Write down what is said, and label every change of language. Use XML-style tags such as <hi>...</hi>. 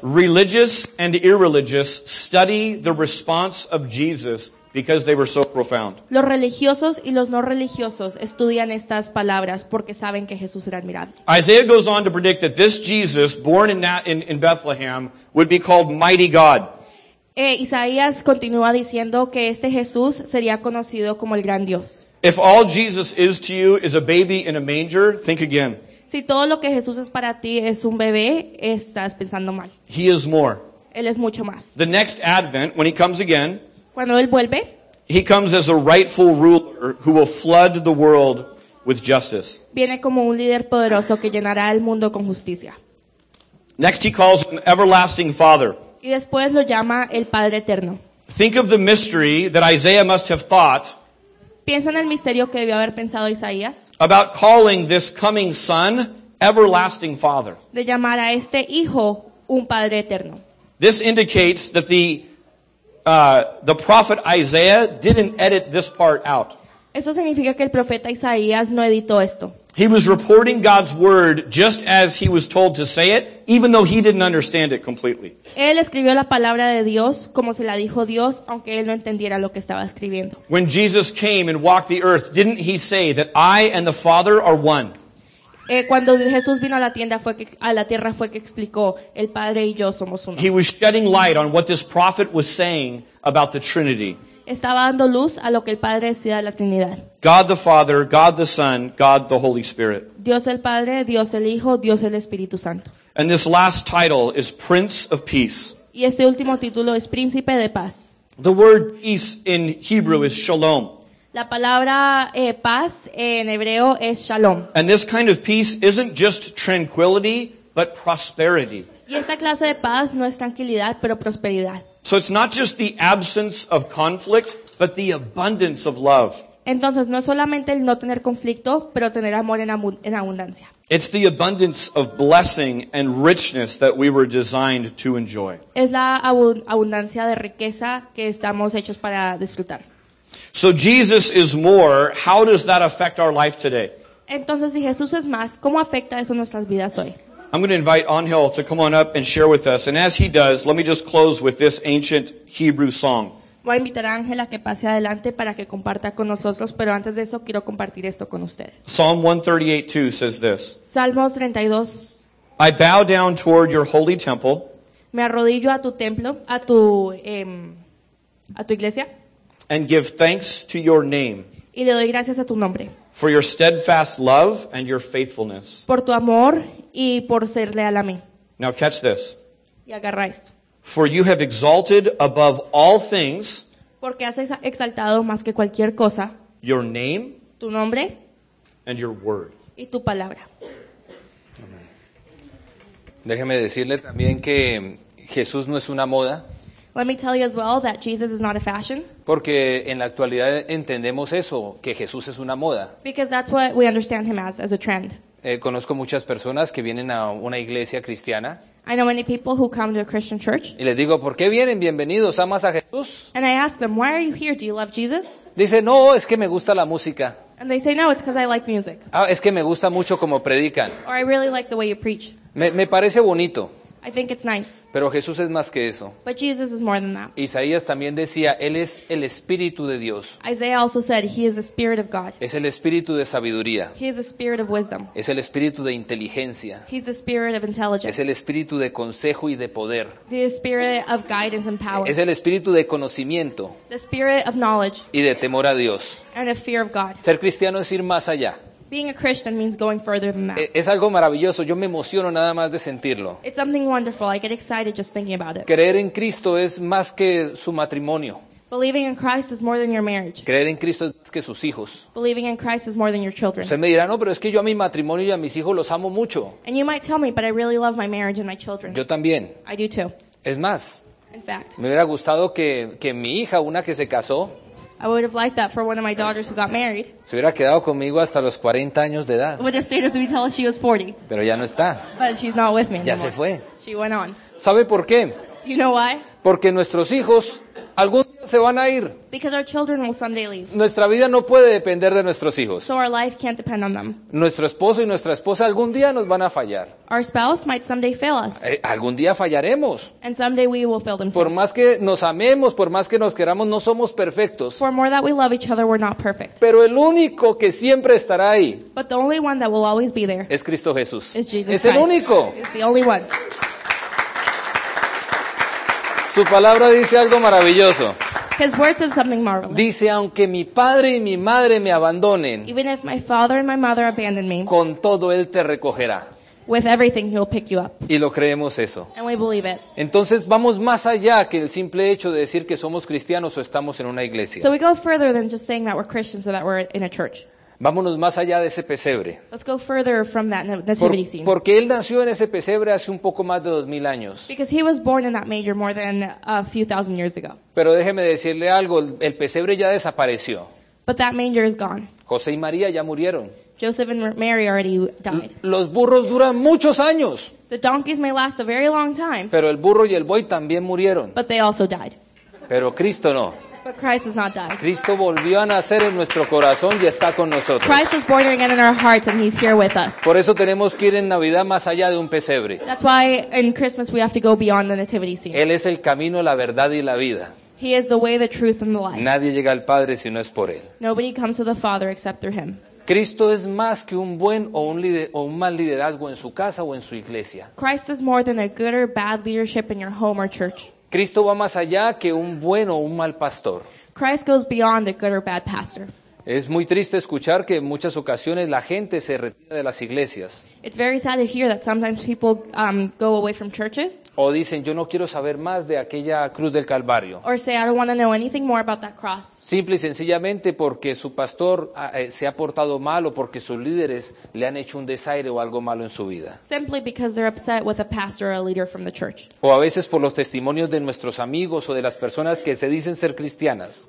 <en>Religious and irreligious study the response of Jesus because they were so profound.</en> <es>Los religiosos y los no religiosos estudian estas palabras porque saben que Jesús era admirable.</es> <en>Isaiah goes on to predict that this Jesus, born in Bethlehem, would be called Mighty God.</en> <es>Isaías continúa diciendo que este Jesús sería conocido como el Gran Dios.</es> <en>If all Jesus is to you is a baby in a manger, think again.</en> <es>Si todo lo que Jesús es para ti es un bebé, estás pensando mal.</es> <en>He is more.</en> <es>Él es mucho más.</es> <en>The next Advent, when he comes again,</en> <es>cuando él vuelve,</es> <en>he comes as a rightful ruler who will flood the world with justice.</en> <es>Viene como un líder poderoso que llenará el mundo con justicia.</es> <en>Next, he calls him Everlasting Father.</en> <es>Y después lo llama el Padre Eterno.</es> <en>Think of the mystery that Isaiah must have thought.</en> <es>Piensa en el misterio que debió haber pensado Isaías.</es> <en>About calling this coming son Everlasting Father.</en> <es>De llamar a este hijo un Padre Eterno.</es> <en>This indicates that the prophet Isaiah didn't edit this part out.</en> <es>Eso significa que el profeta Isaías no editó esto.</es> <en>He was reporting God's word just as he was told to say it, even though he didn't understand it completely.</en> <es>Él escribió la palabra de Dios como se la dijo Dios, aunque él no entendiera lo que estaba escribiendo.</es> <en>When Jesus came and walked the earth, didn't he say that I and the Father are one?</en> <es>Cuando Jesús vino a la tierra fue que explicó, el Padre y yo somos uno.</es> <en>He was shedding light on what this prophet was saying about the Trinity.</en> <es>Estaba dando luz a lo que el Padre decía de la Trinidad.</es> <en>God the Father, God the Son, God the Holy Spirit.</en> <es>Dios el Padre, Dios el Hijo, Dios el Espíritu Santo.</es> <en>And this last title is Prince of Peace.</en> <es>Y este último título es Príncipe de Paz.</es> <en>The word peace in Hebrew is shalom.</en> <es>La palabra paz en hebreo es shalom.</es> <en>And this kind of peace isn't just tranquility, but prosperity.</en> <es>Y esta clase de paz no es tranquilidad, pero prosperidad.</es> <en>So it's not just the absence of conflict, but the abundance of love.</en> <es>Entonces, no es solamente el no tener conflicto, pero tener amor en abundancia.</es> <en>It's the abundance of blessing and richness that we were designed to enjoy.</en> <es>Es la abundancia de riqueza que estamos hechos para disfrutar.</es> <en>So Jesus is more, how does that affect our life today?</en> <es>Entonces, si Jesús es más, ¿cómo afecta eso nuestras vidas hoy?</es> <en>I'm going to invite Angel to come on up and share with us. And as he does, let me just close with this ancient Hebrew song.</en> <es>Voy a invitar a Angel a que pase adelante para que comparta con nosotros, pero antes de eso quiero compartir esto con ustedes.</es> <en>Psalm 138:2 says this.</en> <es>Salmos 32.</es> <en>I bow down toward your holy temple.</en> <es>Me arrodillo a tu templo, a tu iglesia.</es> <en>And give thanks to your name.</en> <es>Y le doy gracias a tu nombre.</es> <en>For your steadfast love and your faithfulness.</en> <es>Por tu amor y por ser leal a mí.</es> <en>Now catch this.</en> <es>Y agarra esto.</es> <en>For you have exalted above all things.</en> <es>Porque has exaltado más que cualquier cosa.</es> <en>Your name.</en> <es>Tu nombre.</es> <en>And your word.</en> <es>Y tu palabra. Oh, Déjeme decirle también que Jesús no es una moda.</es> <en>Let me tell you as well that Jesus is not a fashion.</en> <es>Porque en la actualidad entendemos eso, que Jesús es una moda.</es> <en>Because that's what we understand him as a trend.</en> <es>Conozco muchas personas que vienen a una iglesia cristiana.</es> <en>I know many people who come to a Christian church.</en> <es>Y les digo, ¿por qué vienen? Bienvenidos, ¿amas a Jesús?</es> <en>And I ask them, why are you here? Do you love Jesus?</en> <es>Dice, no, es que me gusta la música.</es> <en>And they say, no, it's because I like music.</en> <es>Ah, es que me gusta mucho como predican.</es> <en>Or I really like the way you preach.</en> <es>Me parece bonito.</es> <en>I think it's nice.</en> <es>Pero Jesús es más que eso.</es> <en>But Jesus is more than that.</en> <es>Isaías también decía, él es el Espíritu de Dios.</es> <en>Isaiah also said, he is the Spirit of God.</en> <es>Es el Espíritu de sabiduría.</es> <en>He is the Spirit of wisdom.</en> <es>Es el Espíritu de inteligencia.</es> <en>He's the Spirit of intelligence.</en> <es>Es el Espíritu de consejo y de poder.</es> <en>The Spirit of guidance and power.</en> <es>Es el Espíritu de conocimiento.</es> <en>The Spirit of knowledge.</en> <es>Y de temor a Dios.</es> <en>And a fear of God.</en> <es>Ser cristiano es ir más allá.</es> <en>Being a Christian means going further than that.</en> <es>Es algo maravilloso. Yo me emociono nada más de sentirlo.</es> <en>It's something wonderful. I get excited just thinking about it.</en> <es>Creer en Cristo es más que su matrimonio.</es> <en>Believing in Christ is more than your marriage.</en> <es>Creer en Cristo es más que sus hijos.</es> <en>Believing in Christ is more than your children.</en> <es>Usted me dirá, no, pero es que yo a mi matrimonio y a mis hijos los amo mucho.</es> <en>And you might tell me, but I really love my marriage and my children.</en> <es>Yo también.</es> <en>I do too.</en> <es>Es más.</es> <en>In fact.</en> <es>Me hubiera gustado que mi hija, una que se casó,</es> <en>I would have liked that for one of my daughters who got married.</en> <es>Se hubiera quedado conmigo hasta los 40 años de edad.</es> <en>Would have stayed with me until she was 40.</en> <es>Pero ya no está.</es> <en>But she's not with me anymore.</en> <es>Ya se fue.</es> <en>She went on.</en> <es>¿Sabe por qué?</es> <en>You know why?</en> <es>Porque nuestros hijos algún día se van a ir.</es> <en>Because our children will someday leave.</en> <es>Nuestra vida no puede depender de nuestros hijos.</es> <en>So our life can't depend on them.</en> <es>Nuestro esposo y nuestra esposa algún día nos van a fallar.</es> <en>Our spouse might someday fail us.</en> <es>Algún día fallaremos.</es> <en>And someday we will fail them too.</en> <es>Por más que nos amemos, por más que nos queramos, no somos perfectos.</es> <en>For more that we love each other, we're not perfect.</en> <es>Pero el único que siempre estará ahí.</es> <en>But the only one that will always be there.</en> <es>Es Cristo Jesús.</es> <en>Is Jesus</en> <es>Christ. Es el único.</es> <en>It's the only one.</en> <es>Su palabra dice algo maravilloso.</es> <en>His words are something marvelous.</en> <es>Dice, aunque mi padre y mi madre me abandonen,</es> <en>even if my father and my mother abandon me,</en> <es>con todo él te recogerá.</es> <en>With everything he'll pick you up.</en> <es>Y lo creemos eso.</es> <en>And we believe it.</en> <es>Entonces vamos más allá que el simple hecho de decir que somos cristianos o estamos en una iglesia.</es> <en>So we go further than just saying that we're Christians or that we're in a church.</en> <es>Vámonos más allá de ese pesebre.</es> <en>Let's go further from that nativity scene.</en> <es>Porque él nació en ese pesebre hace un poco más de 2,000 años.</es> <en>Because he was born in that manger more than a few thousand years ago.</en> <es>Pero déjeme decirle algo, el pesebre ya desapareció.</es> <en>But that manger is gone.</en> <es>José y María ya murieron.</es> <en>Joseph and Mary already died.</en> <es>Los burros duran muchos años.</es> <en>The donkeys may last a very long time.</en> <es>Pero el burro y el buey también murieron.</es> <en>But they also died.</en> <es>Pero Cristo no.</es> <en>But Christ has not died.</en> <es>Cristo volvió a nacer en nuestro corazón y está con nosotros.</es> <en>Christ was born again in our hearts and he's here with us.</en> <es>Por eso tenemos que ir en Navidad más allá de un pesebre.</es> <en>That's why in Christmas we have to go beyond the nativity scene.</en> <es>Él es el camino, la verdad y la vida.</es> <en>He is the way, the truth and the life.</en> <es>Nadie llega al Padre si no es por él.</es> <en>Nobody comes to the Father except through him.</en> <es>Cristo es más que un buen o un mal liderazgo en su casa o en su iglesia.</es> <en>Christ is more than a good or bad leadership in your home or church.</en> <es>Cristo va más allá que un buen o un mal pastor.</es> <en>Christ goes beyond a good or bad pastor.</en> <es>Es muy triste escuchar que en muchas ocasiones la gente se retira de las iglesias.</es> <en>It's very sad to hear that sometimes people go away from churches.</en> <es>O dicen, yo no quiero saber más de aquella cruz del Calvario.</es> <en>Or say, I don't want to know anything more about that cross.</en> <es>Simple y sencillamente porque su pastor se ha portado mal o porque sus líderes le han hecho un desaire o algo malo en su vida.</es> <en>Simply because they're upset with a pastor or a leader from the church.</en> <es>O a veces por los testimonios de nuestros amigos o de las personas que se dicen ser cristianas.</es>